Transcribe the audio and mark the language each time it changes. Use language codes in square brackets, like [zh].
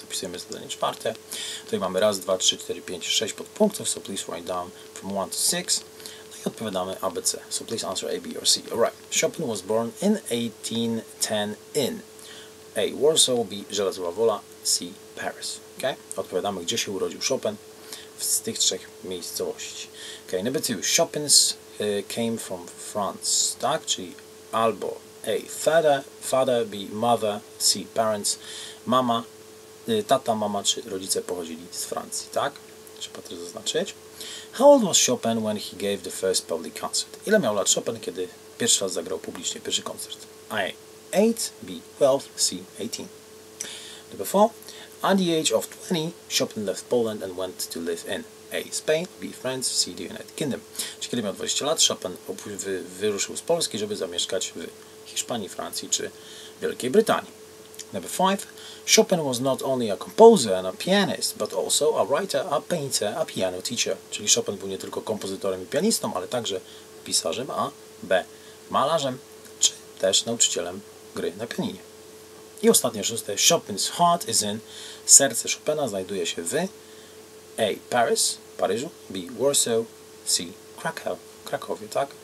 [pl] Zapisujemy zadanie czwarte. Tutaj mamy raz, dwa, trzy, cztery, pięć, sześć podpunktów. [en] So please write down from 1 to 6. [pl] Odpowiadamy ABC. [en] So please answer A, B or C. Alright. Chopin was born in 1810 in A. Warsaw, B. Żelazowa Wola, C. Paris. Okay? [pl] Odpowiadamy, gdzie się urodził Chopin z tych trzech miejscowości. [en] Okay, number two. Chopin's came from France. [pl] Tak? Czyli albo [en] A. Father, B. Mother, C. Parents. [pl] Mama, tata, mama czy rodzice pochodzili z Francji. Tak? Trzeba to zaznaczyć. [en] How old was Chopin when he gave the first public concert? [pl] Ile miał lat Chopin, kiedy pierwszy raz zagrał publicznie pierwszy koncert? [en] A. 8, B. 12, C. 18. Number 4. At the age of 20, Chopin left Poland and went to live in A. Spain, B. France, C. the United Kingdom. [pl] Czyli kiedy miał 20 lat, Chopin wyruszył z Polski, żeby zamieszkać w Hiszpanii, Francji czy Wielkiej Brytanii. [en] Number 5. Chopin was not only a composer and a pianist, but also a writer, a painter, a piano teacher. [pl] Czyli Chopin był nie tylko kompozytorem i pianistą, ale także pisarzem, a B. malarzem, czy też nauczycielem gry na pianinie. I ostatnie, szóste. [en] Chopin's heart is in. [pl] Serce Chopina znajduje się w A. Paris, Paryżu, B. Warsaw, C. Krakow, Krakowie, tak?